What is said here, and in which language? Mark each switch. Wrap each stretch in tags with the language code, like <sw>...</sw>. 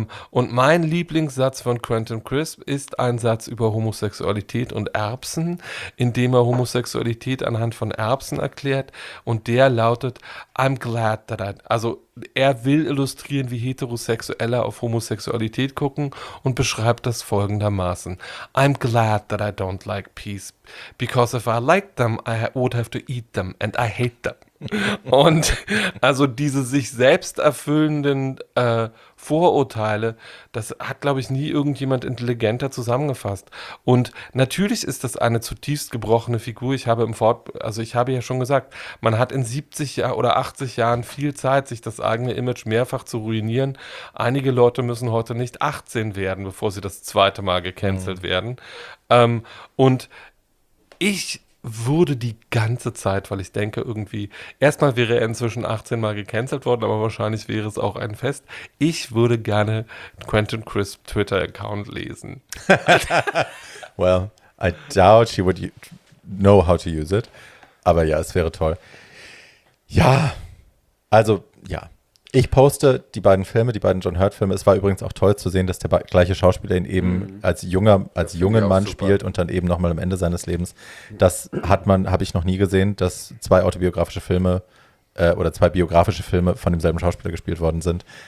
<de>Und mein Lieblingssatz von Quentin Crisp ist ein Satz über Homosexualität und Erbsen, in dem er Homosexualität anhand von Erbsen erklärt. Und der lautet,</de> <en>I'm glad that I...</en> <de>Also, er will illustrieren, wie Heterosexuelle auf Homosexualität gucken und beschreibt das folgendermaßen.</de> <en>I'm glad that I don't like peas, because if I liked them, I would have to eat them, and I hate them.</en> <de>Und also diese sich selbst erfüllenden Vorurteile, das hat, glaube ich, nie irgendjemand intelligenter zusammengefasst. Und natürlich ist das eine zutiefst gebrochene Figur. Ich habe ja schon gesagt, man hat in 70 oder 80 Jahren viel Zeit, sich das eigene Image mehrfach zu ruinieren. Einige Leute müssen heute nicht 18 werden, bevor sie das zweite Mal gecancelt werden. Und ich wurde die ganze Zeit, weil ich denke irgendwie, erstmal wäre er inzwischen 18 Mal gecancelt worden, aber wahrscheinlich wäre es auch ein Fest. Ich würde gerne Quentin Crisp Twitter-Account lesen.</de> <en>Well, I doubt he would know how to use it.</en> <de>Aber ja, es wäre toll. Ja, also ja. Ich poste die beiden Filme, die beiden John Hurt-Filme. Es war übrigens auch toll zu sehen, dass der gleiche Schauspieler ihn eben als jungen Mann spielt und dann eben nochmal am Ende seines Lebens. Das habe ich noch nie gesehen, dass zwei autobiografische Filme oder zwei biografische Filme von demselben Schauspieler gespielt worden sind.</de>